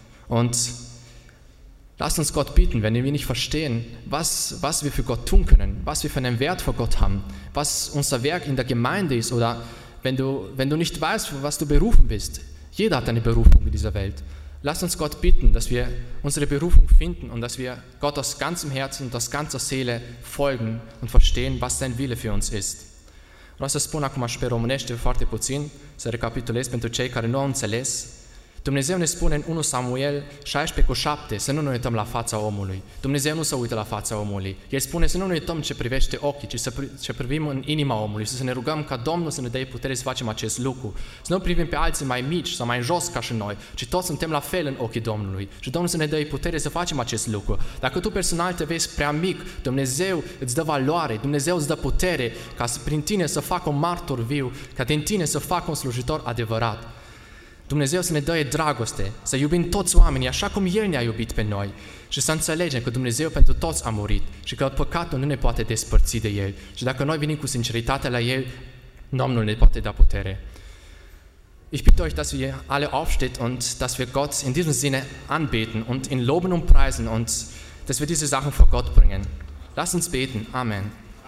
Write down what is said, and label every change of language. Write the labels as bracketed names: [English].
[German] Und lasst uns Gott bitten, wenn wir nicht verstehen, was wir für Gott tun können, was wir für einen Wert vor Gott haben, was unser Werk in der Gemeinde ist oder wenn du nicht weißt, was du berufen bist. Jeder hat eine Berufung in dieser Welt. Lasst uns Gott bitten, dass wir unsere Berufung finden und dass wir Gott aus ganzem Herzen und aus ganzer Seele folgen und verstehen, was sein Wille für uns ist. [Romanian] Rasa spun acum aș pe românește foarte puțin, să recapitulez pentru cei care nu au înțeles. Dumnezeu ne spune în 1 Samuel 16:7 să nu ne uităm la fața omului. Dumnezeu nu se uită la fața omului. El spune să nu ne uităm ce privește ochii, ci ce privim în inima omului și să ne rugăm ca Domnul să ne dea putere să facem acest lucru. Să nu privim pe alții mai mici sau mai jos ca și noi, ci toți suntem la fel în ochii Domnului. Și Domnul să ne dea putere să facem acest lucru. Dacă tu personal te vezi prea mic, Dumnezeu îți dă valoare, Dumnezeu îți dă putere ca prin tine să facă un martor viu, ca din tine să facă un slujitor adevărat. Dumnezeu să ne dă dragoste, să iubim toți oamenii așa cum El ne-a iubit pe noi și să înțelegem că Dumnezeu pentru toți a murit și că păcatul nu ne poate despărți de El. Și dacă noi venim cu sinceritate la El, Domnul ne poate da putere. [German] Ich bitte euch, dass ihr alle aufsteht und dass wir Gott in diesem Sinne anbeten und ihn loben und preisen und dass wir diese Sachen vor Gott bringen. Lasst uns beten. Amen.